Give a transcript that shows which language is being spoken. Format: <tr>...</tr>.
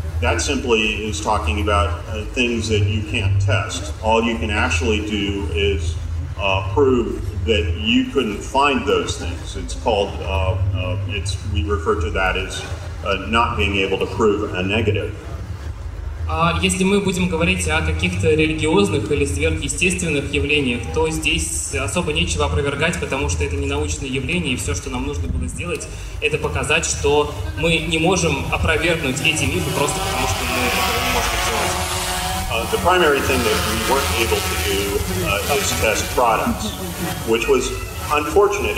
<en>That simply is talking about things that you can't test. All you can actually do is prove that you couldn't find those things. It's called, we refer to that as not being able to prove a negative.</en> <ru>Если мы будем говорить о каких-то религиозных или сверхъестественных явлениях, то здесь особо нечего опровергать, потому что это не научное явление, и все, что нам нужно было сделать, это показать, что мы не можем опровергнуть эти мифы просто потому, что мы этого не можем делать.</ru> <en>The primary thing that we weren't able to do is test products, which was unfortunate.</en>